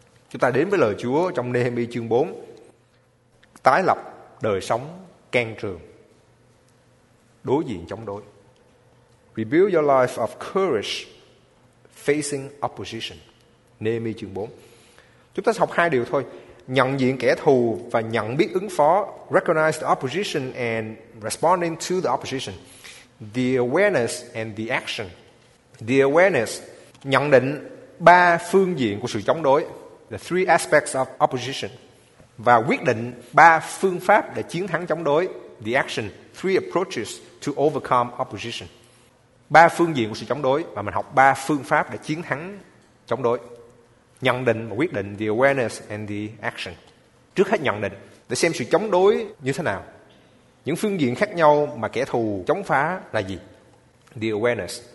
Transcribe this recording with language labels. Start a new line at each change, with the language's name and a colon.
Vietnamese: Chúng ta đến với lời Chúa trong Nehemi chương 4. Tái lập đời sống can trường, đối diện chống đối.
English: Rebuild your life of courage facing opposition.
Vietnamese: Nehemiah chương 4. Chúng ta học hai điều thôi. Nhận diện kẻ thù và nhận biết ứng phó.
English: Recognize the opposition and responding to the opposition. The awareness and the action. The awareness.
Vietnamese: Nhận định ba phương diện của sự chống đối.
English: The three aspects of opposition.
Vietnamese: Và quyết định ba phương pháp để chiến thắng chống đối.
English: The action. Three approaches to overcome opposition.
Vietnamese: Ba phương diện của sự chống đối. Và mình học ba phương pháp để chiến thắng chống đối. Nhận định và quyết định.
English: The awareness and the action.
Vietnamese: Trước hết nhận định. Để xem sự chống đối như thế nào. Những phương diện khác nhau mà kẻ thù chống phá là gì?
English: The awareness.